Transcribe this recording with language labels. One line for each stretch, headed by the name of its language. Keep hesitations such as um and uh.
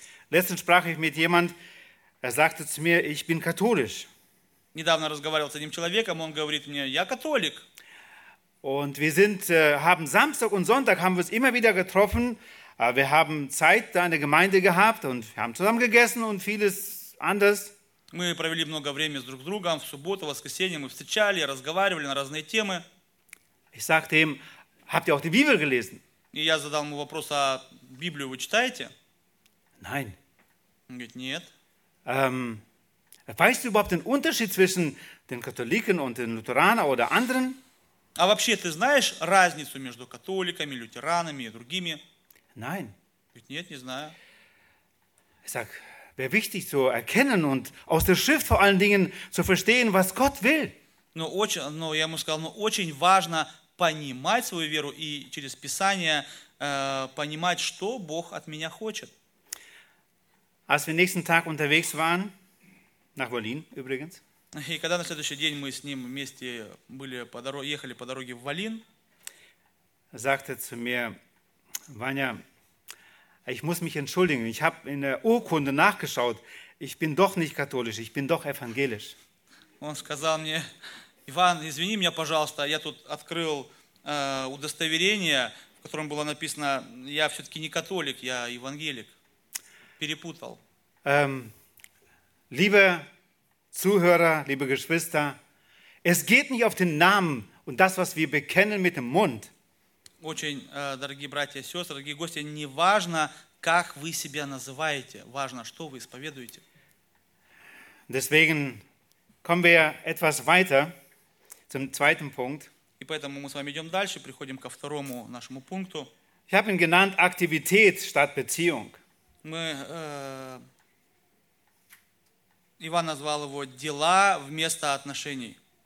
German: Letztens sprach ich mit jemand, er sagte zu mir, ich bin katholisch.
Russian: Недавно разговаривал с одним человеком, он говорит мне, я католик.
German: Und wir sind, haben Samstag und Sonntag haben wir uns immer wieder getroffen. Wir haben Zeit da in der Gemeinde gehabt und wir haben zusammen gegessen und vieles anderes.
Russian: Мы провели много времени с друг с другом, в субботу, в воскресенье мы встречали, разговаривали на разные темы.
German: Ihm, Habt ihr auch die
Russian: и я задал ему вопрос, а Библию вы читаете?
German: Nein.
Russian: Он er говорит, нет.
German: Um, ähm, weißt du überhaupt den Unterschied zwischen den Katholiken und den Lutheranern oder anderen?
Russian: А вообще ты знаешь разницу между католиками, лютеранами и другими?
German: Nein.
Russian: Er говорит, нет, не знаю.
German: Ich sag, wäre wichtig zu so erkennen und aus der Schrift vor allen Dingen zu verstehen, was Gott will.
Russian: Но очень, но я ему сказал, но очень важно понимать свою веру и через Писание äh, понимать, что Бог от меня хочет.
German: Als wir nächsten Tag unterwegs waren, nach Berlin übrigens.
Russian: когда на следующий день мы с ним вместе были по дороге, ехали по дороге в Валин,
German: sagte zu mir, Ваня, Ich muss mich entschuldigen. Ich habe in der Urkunde nachgeschaut. Ich bin doch nicht katholisch. Ich bin doch evangelisch.
Russian: Он сказал мне, Иван, извини меня, пожалуйста, я тут открыл äh, удостоверение, в котором было написано, я все-таки не католик, я евангелик. Перепутал.
German: liebe Zuhörer, liebe Geschwister, es geht nicht auf den Namen und das, was wir bekennen mit dem Mund.
Russian: Очень, äh, дорогие братья и сестры, дорогие гости, не важно, как вы себя называете, важно, что вы исповедуете.
German: Deswegen kommen wir etwas weiter zum zweiten Punkt.
Russian: И поэтому мы с вами идем дальше, приходим ко второму нашему пункту.
German: Ich habe ihn genannt Aktivität statt Beziehung.
Russian: Мы, äh, Иван назвал его дела вместо отношений.